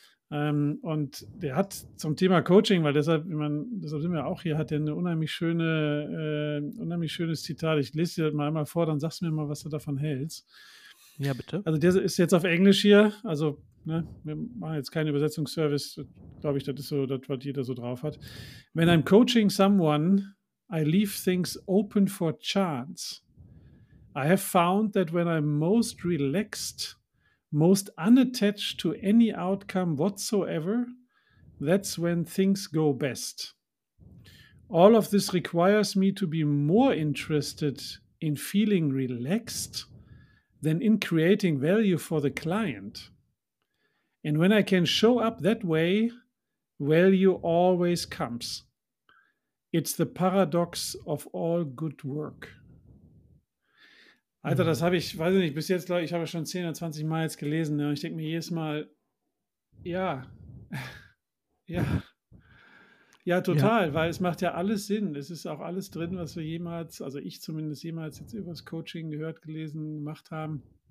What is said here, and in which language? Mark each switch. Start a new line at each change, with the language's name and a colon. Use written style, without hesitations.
German: Und der hat zum Thema Coaching, weil deshalb sind wir auch hier, hat er eine unheimlich schönes Zitat. Ich lese dir das mal einmal vor, dann sagst du mir mal, was du davon hältst. Ja, bitte. Also der ist jetzt auf Englisch hier, also ne, wir machen jetzt keinen Übersetzungsservice, glaube ich, das ist so das, was jeder so drauf hat.
English: When I'm coaching someone, I leave things open for chance. I have found that when I'm most relaxed, most unattached to any outcome whatsoever, that's when things go best. All of this requires me to be more interested in feeling relaxed than in creating value for the client. And when I can show up that way, value always comes. It's the paradox of all good work.
German: Alter, das habe ich, weiß ich nicht, bis jetzt, glaube ich, habe schon 10 oder 20 Mal jetzt gelesen. Ne? Und ich denke mir jedes Mal, ja, total, weil es macht ja alles Sinn. Es ist auch alles drin, was wir jemals, also ich zumindest jemals jetzt über das Coaching gehört, gelesen, gemacht haben.